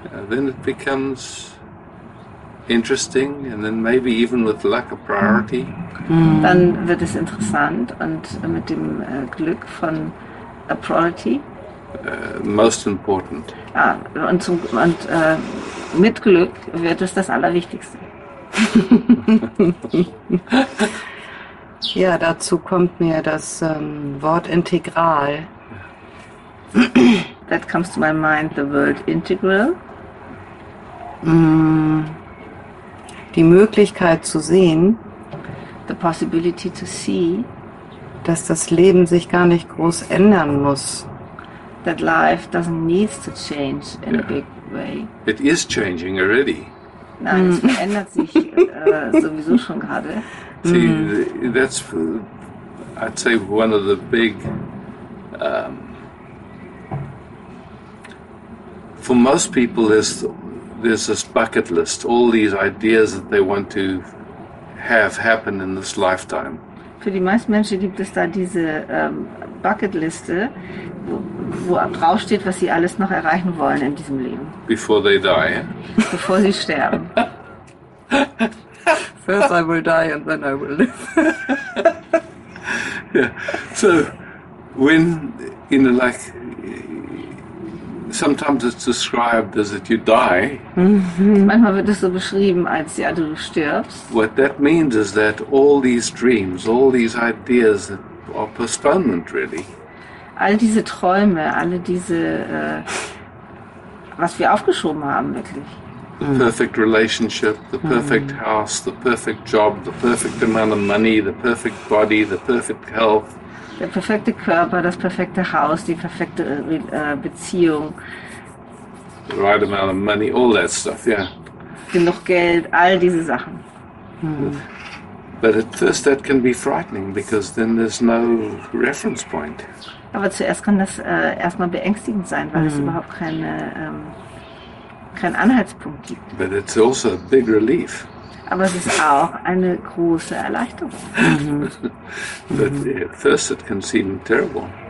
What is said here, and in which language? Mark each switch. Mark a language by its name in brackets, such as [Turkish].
[English] then it becomes interesting and then maybe even with luck a priority. [German] Dann wird es interessant und mit dem Glück von [English] a priority. Most important. [German] Ah, und zum, und mit Glück wird es das Allerwichtigste. Ja, dazu kommt mir das Wort integral. [English] That comes to my mind, the word integral. [German] Die Möglichkeit zu sehen, [English] the possibility to see, [German] dass das Leben sich gar nicht groß ändern muss. [English] That life doesn't need to change in a big way. It is changing already. [German] Nein, es verändert sich sowieso schon gerade. [English] See, that's, I'd say, one of the big, for most people, there's this bucket list, all these ideas that they want to have happen in this lifetime. [German] Für die meisten Menschen gibt es da diese Bucketliste, wo draufsteht, was sie alles noch erreichen wollen in diesem Leben. [English] Before they die. [German] Bevor sie sterben. [English] First I will die and then I will live. Yeah. So, when, you know, like, sometimes it's described as that you die. [German] Manchmal wird es so beschrieben, als ja, du stirbst. [English] What that means is that all these dreams, all these ideas are postponement, really. [German] All diese Träume, alle diese, was wir aufgeschoben haben, wirklich. [English] The perfect relationship, the perfect house, the perfect job, the perfect amount of money, the perfect body, the perfect health. [German] Der perfekte Körper, das perfekte Haus, die perfekte Beziehung. [English] The right amount of money, all that stuff, yeah. [German] Genug Geld, all diese Sachen. [English] But at first that can be frightening, because then there's no reference point. [German] Aber zuerst kann das erstmal beängstigend sein, weil es überhaupt keine, keinen Anhaltspunkt gibt. [English] But it's also a big relief. [German] Aber es ist auch eine große Erleichterung. [English] But at first it can seem terrible.